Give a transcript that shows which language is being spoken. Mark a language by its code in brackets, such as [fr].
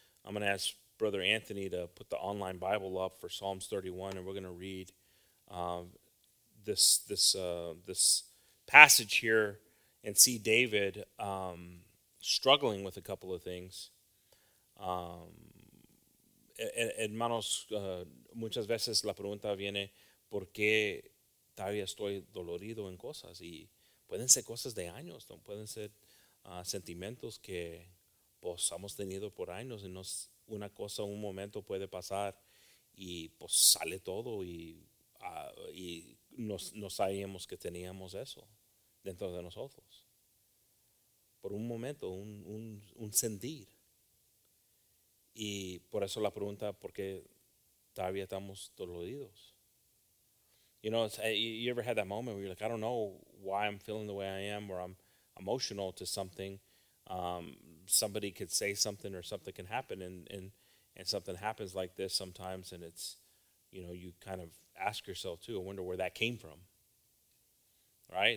[en] I'm going to ask Brother Anthony to put the online Bible up for Psalms 31, and we're going to read this passage here and see David struggling with a couple of things. [es] Hermanos, muchas veces la pregunta viene, ¿por qué todavía estoy dolorido en cosas? Y pueden ser cosas de años, ¿no? Pueden ser sentimientos que pues hemos tenido por años, y no es una cosa, un momento puede pasar y pues sale todo y no sabíamos que teníamos eso dentro de nosotros. Por un momento, un sentir. Y por eso la pregunta, ¿por qué todavía estamos doloridos? [en] You know, you ever had that moment where you're like, I don't know why I'm feeling the way I am, or I'm emotional to something. Somebody could say something or something can happen, and something happens like this sometimes, and it's, you know, you kind of ask yourself too, I wonder where that came from, right?